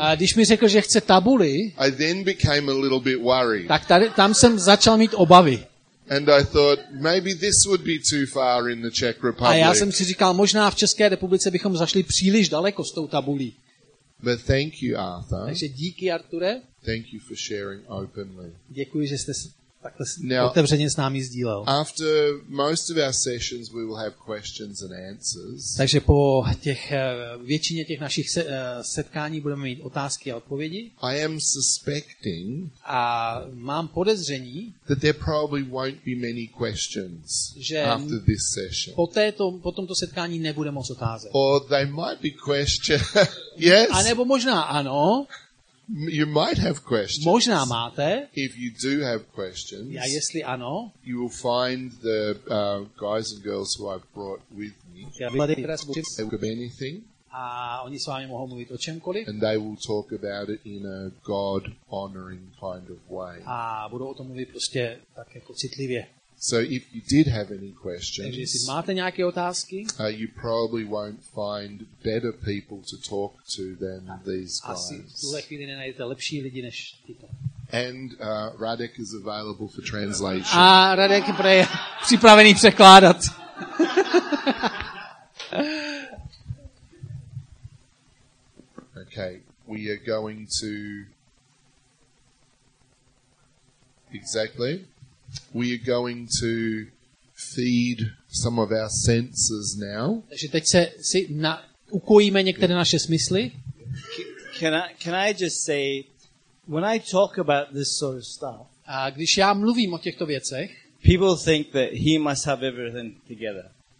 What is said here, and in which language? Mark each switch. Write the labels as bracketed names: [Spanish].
[Czech] a když mi řekl, že chce tabuli, [English] I then became a little bit worried. [Czech] Tak tady, tam jsem začal mít obavy. [English] And I thought maybe this would be too far in the Czech Republic. [Czech] A já jsem si říkal, možná v České republice bychom zašli příliš daleko s tou tabulí. [English] But thank you, Arthur. [Czech] Takže díky, Arture. [English] Thank you for sharing openly. [Czech] Děkuji, že jste takhle otevřeně s námi sdílel. [English] After most of our sessions we will have questions and answers. [Czech] Takže po těch většině těch našich setkání budeme mít otázky a odpovědi. [English] I am suspecting. [Czech] A mám podezření, [English] that there probably won't be many questions after this session. [Czech] Po tomto setkání nebude moc otázek. [English] Or they might be questions. Yes. [Czech] A nebo možná ano. [English] You might have questions. [Czech] Možná máte. [English] If you do have questions, [Czech] ja, jestli ano, [English] you will find the guys and girls who I've brought with me. They will have anything. [Czech] A oni s vámi mohou mluvit o čemkoliv. [English] And they will talk about it in a God-honoring kind of way. [Czech] A budou o tom mluvit prostě tak jako citlivě. [English] So if you did have any questions, [Czech] takže jestli máte nějaké otázky, [English] you probably won't find better people to talk to than these guys. [Czech] Asi v tuhle chvíli nenajdete lepší lidi než tyto. [English] And Radek is available for translation. [Czech] A Radek je připravený překládat. [English] Okay, we are going to exactly. We are going to feed some of our senses now. [Czech] Takže teď si ukojíme některé naše smysly. [English] Can I just say, when I talk about this sort of stuff, [Czech] a když já mluvím o těchto věcech, [English] people think that he must have everything together.